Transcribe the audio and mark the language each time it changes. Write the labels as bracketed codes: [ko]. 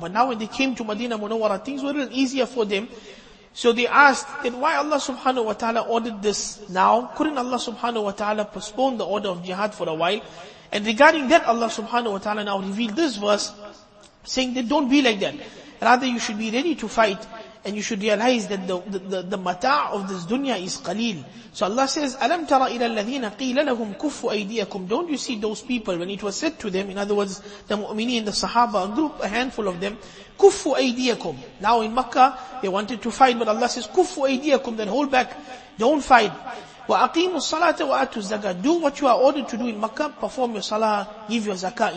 [en] But now when they came to Madinah Munawwara, things were a little easier for them. So they asked, then why Allah subhanahu wa ta'ala ordered this now? Couldn't Allah subhanahu wa ta'ala postpone the order of jihad for a while? And regarding that, Allah subhanahu wa ta'ala now revealed this verse, saying that don't be like that. Rather, you should be ready to fight. And you should realize that the mata' of this dunya is qaleel. So Allah says, [ar] أَلَمْ تَرَ إِلَى الَّذِينَ قِيلَ لَهُمْ كُفُّ أَيْدِيَكُمْ. [en] Don't you see those people when it was said to them, in other words, the mu'mineen, the sahaba, a group, a handful of them, [ar] كُفُّ أَيْدِيَكُمْ. [en] Now in Makkah, they wanted to fight, but Allah says, [ar] كُفُّ أَيْدِيَكُمْ, [en] then hold back, don't fight. [ar] وَأَقِيمُ الصَّلَاةَ وَأَتُوا الزَّكَاةَ. [en] Do what you are ordered to do in Makkah, perform your salah, give your zakah.